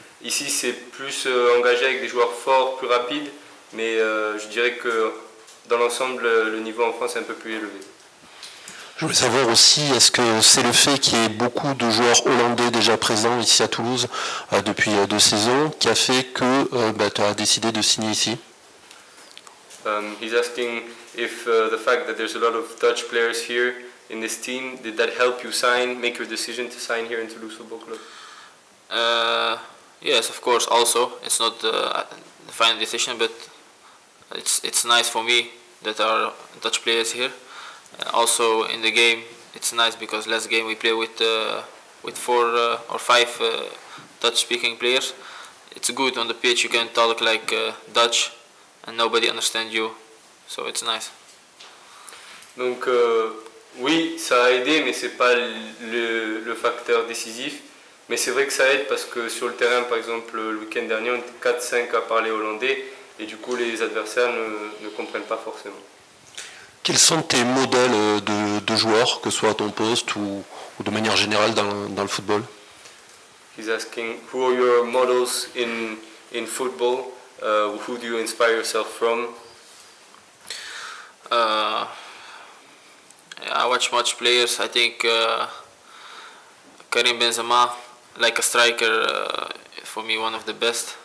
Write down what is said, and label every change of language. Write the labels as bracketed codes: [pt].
[fr] Ici, c'est plus engagé avec des joueurs forts, plus rapides, mais je dirais que dans l'ensemble, le niveau en France est un peu plus élevé. Je voulais savoir aussi, est-ce que c'est le fait qu'il y ait beaucoup de joueurs hollandais déjà présents ici à Toulouse depuis deux saisons qui a fait que tu as décidé de signer ici? [en] He's asking if the fact that there's a lot of Dutch players here in this team, did that help you sign, make your decision to sign here in Toulouse Football Club? Yes, of course, also. It's not the final decision, but it's nice for me that there are Dutch players here. Also, in the game, it's nice because last game we play with four or five Dutch-speaking players. It's good on the pitch, you can talk like Dutch. And nobody understands you, so it's nice. [fr] Donc oui, ça a aidé, mais c'est pas le facteur décisif. Mais c'est vrai que ça aide parce que sur le terrain, par exemple, le week-end dernier, on était 4-5 à parler hollandais, et du coup, les adversaires ne comprennent pas forcément. Quels sont tes modèles de joueurs, que ce soit à ton poste ou de manière générale dans le football? [en] He's asking who are your models in football. Who do you inspire yourself from? I watch much players. I think Karim Benzema, like a striker, for me one of the best.